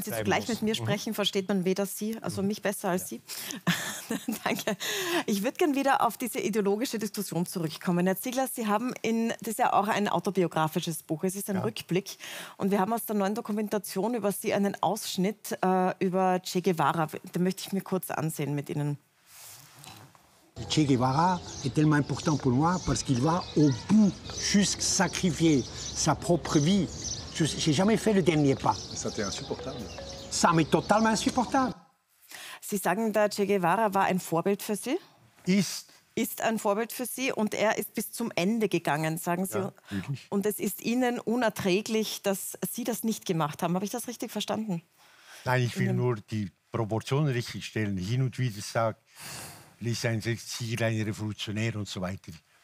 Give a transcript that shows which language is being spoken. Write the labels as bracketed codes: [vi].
[de] Wenn Sie zugleich mit mir sprechen, versteht man weder Sie, also mich besser als Sie. Danke. Ich würde gerne wieder auf diese ideologische Diskussion zurückkommen. Herr Ziegler, Sie haben das ist ja auch ein autobiografisches Buch, es ist ein Rückblick. Und wir haben aus der neuen Dokumentation über Sie einen Ausschnitt über Che Guevara. Den möchte ich mir kurz ansehen mit Ihnen. [fr] Che Guevara est tellement important pour moi parce qu'il va au bout jusqu'à sacrifier sa propre vie. Je n'ai jamais fait le dernier pas. Ça t'est insupportable. Ça m'est totalement insupportable. [de] Sie sagen, der Che Guevara war ein Vorbild für Sie? Ist ein Vorbild für Sie und er ist bis zum Ende gegangen, sagen Sie. Ja, wirklich. Und es ist Ihnen unerträglich, dass Sie das nicht gemacht haben. Habe ich das richtig verstanden? Nein, ich will nur die Proportionen richtig stellen. Hin und wieder sagt, ließ ein Ziel, ein Revolutionär und so weiter.